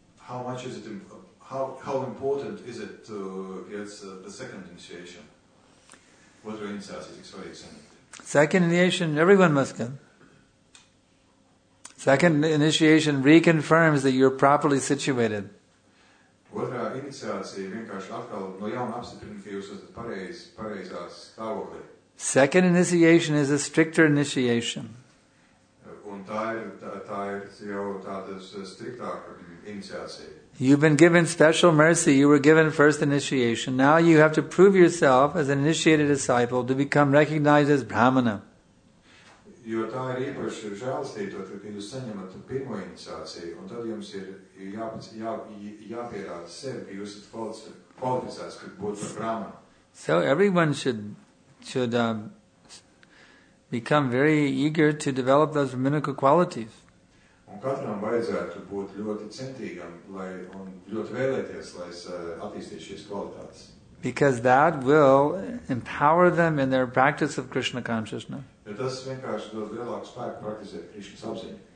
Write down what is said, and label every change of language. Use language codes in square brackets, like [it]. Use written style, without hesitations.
[en] much is it how important is it to get the second initiation? What are initiations? Sorry, second initiation, everyone must come. Second initiation reconfirms that you're properly situated. [lv] Otrā iniciācija vienkārši atkal no jauna apstiprina, ka jūs esat pareizā stāvoklī. [en] Second initiation is a stricter initiation. [lv] Un tā ir jau tāda striktāka iniciācija. [en] You've been given special mercy. You were given first initiation. Now you have to prove yourself as an initiated disciple to become recognized as Brahmana. [lv] Jo tā ir īpaši žēlstīto, ka jūs saņemat pirmo iniciāciju, un tad jums ir jāpierāda sevi, ka jūs esat kvalificēts, ka būtu Brahmana. [en] So everyone should become very eager to develop those brahminical qualities. [lv] Un katram vajadzētu būt ļoti centīgam, lai, un ļoti vēlēties, lai es attīstītu šīs kvalitātes. [en] Because that will empower them in their practice of Krishna consciousness. [lv] Ja tas vienkārši dod lielāku spēku praktizēt Krishna apziņu.